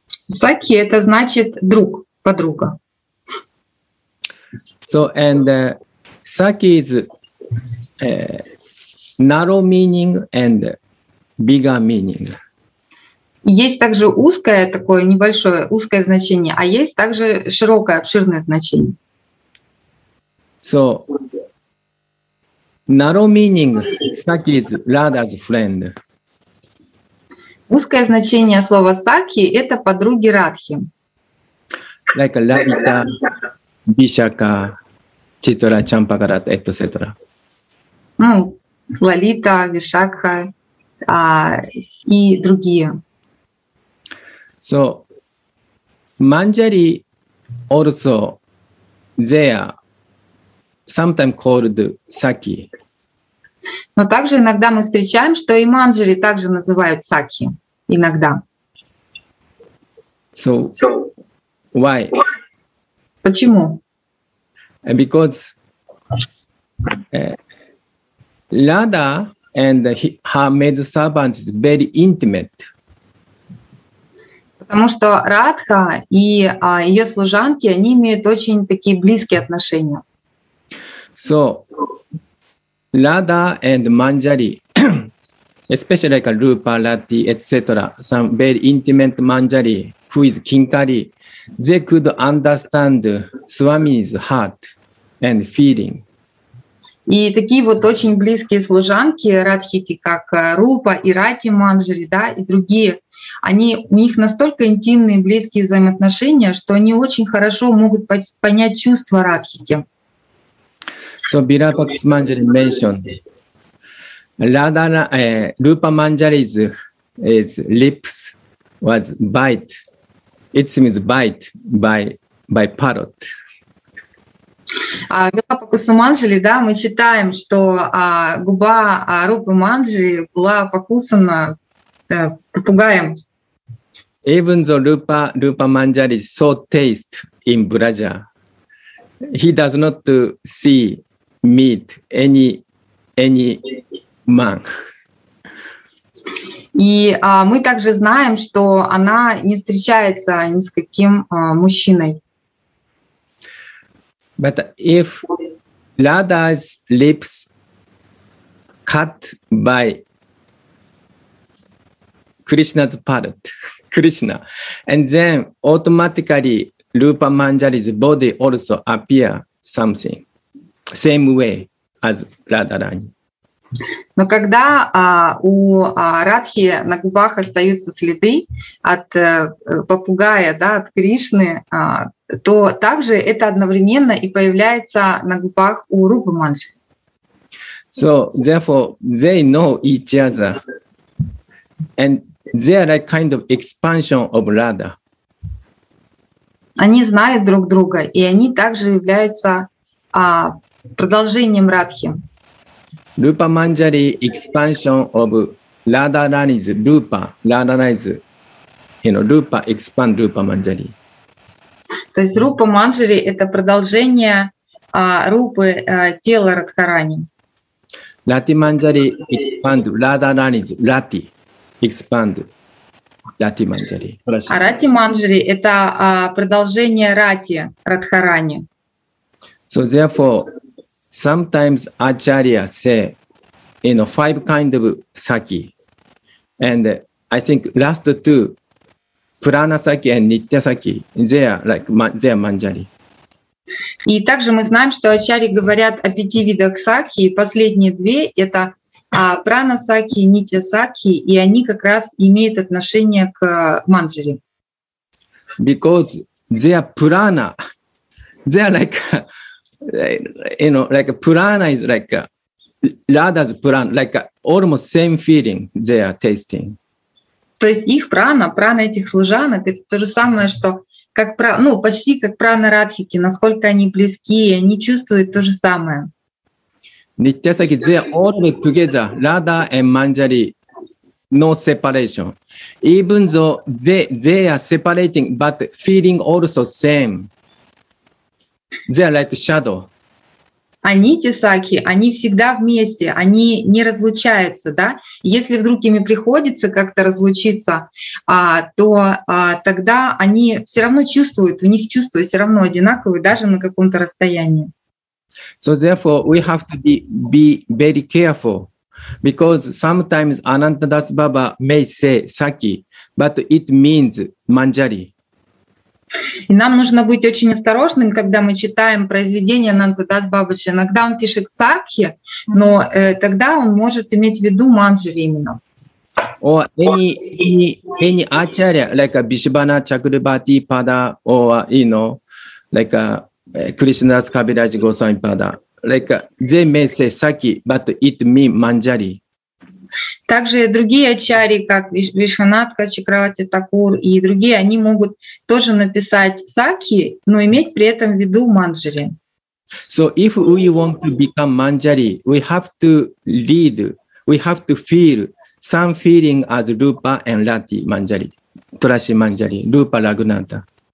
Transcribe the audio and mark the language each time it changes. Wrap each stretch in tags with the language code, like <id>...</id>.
<ru>Saki, это значит друг, подруга.</ru> <en>So and Saki is narrow meaning and bigger meaning.</en> <ru>Есть также узкое такое небольшое узкое значение, а есть также широкое обширное значение.</ru> <en>So narrow meaning Saki is Radha's friend.</en> <ru>Узкое значение слова Saki это подруги Радхи.</ru> <en>Like Ravita, Vishaka, Chitra, Champakarat, etc.</en> <ru>Лолита, Вишакха и другие.</ru> <en>So, Manjari also they are sometimes called Saki.</en> <ru>Но также иногда мы встречаем, что и Манджари также называют Саки. Иногда.</ru> <en>So, why?</en> <ru>Почему?</ru> <en>Because Radha and her maid servant is very intimate.</en> <ru>Потому что Радха и ее служанки, они имеют очень такие близкие отношения.</ru> <en>So Radha and Manjari, especially like Rupa, Lati, etc., some very intimate Manjari, who is Kinkari, they could understand Swami's heart and feeling.</en> <ru>И такие вот очень близкие служанки Радхики, как Рупа и Рати Манджари, да, и другие, они, у них настолько интимные, близкие взаимоотношения, что они очень хорошо могут понять чувства Радхики.</ru> <en>So Virapaksha Manjari mentioned, Rupa Manjari's lips was bite. It means bite by parrot.</en> <ru>Вилапакуса Манджари, да, мы считаем, что губа Рупы Манджари была покусана попугаем.</ru> <en>Even though Rupa Manjari so taste in Braja, he does not see meat any man.</en> <ru>И мы также знаем, что она не встречается ни с каким мужчиной.</ru> <en>But if Radha's lips cut by Krishna's part, Krishna, and then automatically Rupa Manjari's body also appear something, same way as Radharani.</en> <ru>Но когда у Радхи на губах остаются следы от попугая, да, от Кришны, то также это одновременно и появляется на губах у Рупы Манджари.</ru> <en>So therefore they know each other, and they are like kind of expansion of Radha.</en> <ru>Они знают друг друга, и они также являются продолжением Радхи.</ru> <en>Rupa Manjari expansion of Radharani's Rupa, Radharani's, you know, Rupa expand Rupa Manjari.</en> <ru>То есть Rupa Manjari — это продолжение Рупы тела Радхарани.</ru> <en>Rati Manjari expand Radharani's Rati, expand Rati Manjari.</en> <ru>А Rati Manjari — это продолжение Рати, Радхарани.</ru> <en>So therefore, sometimes Acharya say, you know, five kind of sake, and I think last two, prana sake and nitya sake, they are like they are manjari.</en> <ru>И также мы знаем, что ачарьи говорят о пяти видах сакхи, и последние две — это прана сакхи и нитья сакхи, и они как раз имеют отношение к манджари.</ru> <en>Because they are prana, they are like, you know, like prana is like Radha's prana, like almost same feeling they are tasting.</en> <ru>То есть их прана, прана этих служанок, это то же самое, что как прана, ну, почти как прана Радхики, насколько они близки, они чувствуют то же самое.</ru> <en>Nityasaki, they are all together, Radha and Manjari, no separation. Even though they are separating, but feeling also same. They are like shadow.</en> <ru>Они, те сакхи, они всегда вместе, они не разлучаются, да? Если вдруг ими приходится как-то разлучиться, тогда они все равно чувствуют, у них чувства все равно одинаковые, даже на каком-то расстоянии.</ru> <en>So therefore, we have to be very careful, because sometimes Ananta Das Baba may say sakhi, but it means manjari.</en> <ru>И нам нужно быть очень осторожным, когда мы читаем произведение Ананта Дас Бабаджи. Иногда он пишет сакхи, но тогда он может иметь в виду манджари именно.</ru> <en>Or any acharya, like a Vishvanatha Chakrabarti Pada, or, you know, like a Krishnadas Kaviraj Goswami Pada, like they may say sakhi, but it means manjari.</en> <ru>Также другие ачарьи, как Вишванатха Чакравати Такур и другие, они могут тоже написать сакхи, но иметь при этом в виду манджари.</ru> <en>So if we want to become manjari, we have to read, we have to feel some feeling as Rupa and Rati manjari, Trashi manjari, Rupa Raghunatha.</en>